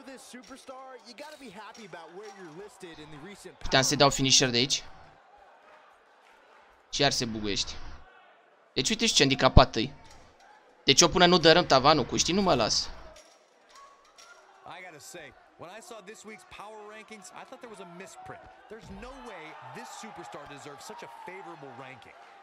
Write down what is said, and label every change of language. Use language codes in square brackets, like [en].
[en] Superstar, you gotta be happy about where you're listed in the recent. [ro] Puteam să-i dau finisher de aici. Și iar se buguiește. Deci uite și ce handicapat îi. Deci eu până nu dărâm tavanul cu știi, nu mă las. [en] I gotta say, when I saw this week's power rankings, I thought there was a misprint. There's no way this superstar deserves such a favorable ranking.